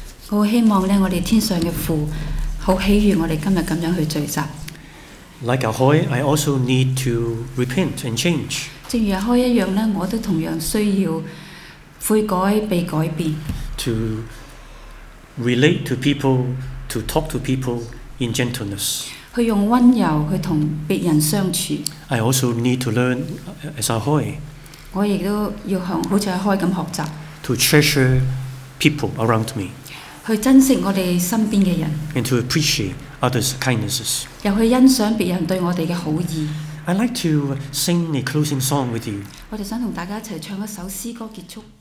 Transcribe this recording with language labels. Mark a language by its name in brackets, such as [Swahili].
[Cantonese] 我希望咧，我哋天上嘅父好喜悦我哋今日咁样去聚集。 [English] Like Ahoy, I also need to repent and change. [Cantonese] 正如Ahoy一樣，我都同樣需要悔改，被改變。 [English] To relate to people, to talk to people in gentleness. [Cantonese] 去用温柔去同別人相處。 [English] I also need to learn as Ahoy. [Cantonese] 我亦都要像好似Ahoy咁學習。 [English] To treasure people around me. [Cantonese] 去珍惜我哋身邊嘅人。 [English] And to appreciate others' kindnesses. [Cantonese] 又去欣賞別人對我哋嘅好意。 [English] I'd like to sing a closing song with you. [Cantonese] 我哋想同大家一齊唱一首詩歌結束。